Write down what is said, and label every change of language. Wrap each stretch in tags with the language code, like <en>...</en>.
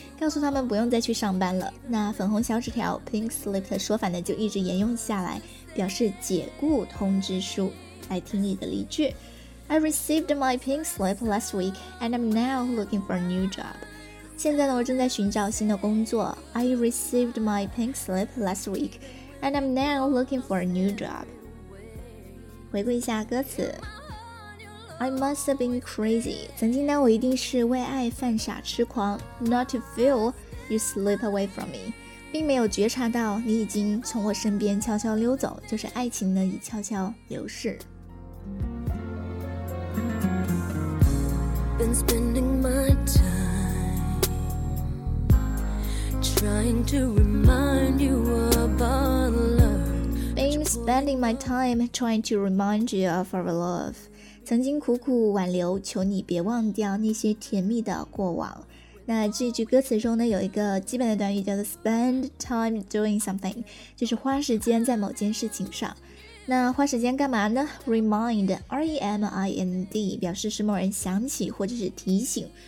<zh>告诉他们不用再去上班了。那粉红小纸条 Pink Slip 的说法呢，就一直沿用下来，表示解雇通知书。来听一个例句，</zh> <en>I received my pink slip last week and I'm now looking for a new job.</en> <zh>现在呢，我正在寻找新的工作。</zh> <en>I received my pink slip last week and I'm now looking for a new job.</en> <zh>回顾一下歌词，</zh> <en>I must have been crazy.</en> <zh>曾经呢，我一定是为爱犯傻痴狂。</zh> <en>Not to feel you slip away from me. 并没有觉察到你已经从我身边悄悄溜走，就是爱情呢已悄悄流逝。 Been spending my time trying to remind you about love. Been spending my time trying to remind you of our love.</en> <zh>曾经苦苦挽留，求你别忘掉那些甜蜜的过往。那这句歌词中呢，有一个基本的短语叫做</zh> <en>spend time doing something，</en> <zh>就是花时间在某件事情上。那花时间干嘛呢？ remind， R-E-M-I-N-D， 表示使某人想起或者是提醒。</zh>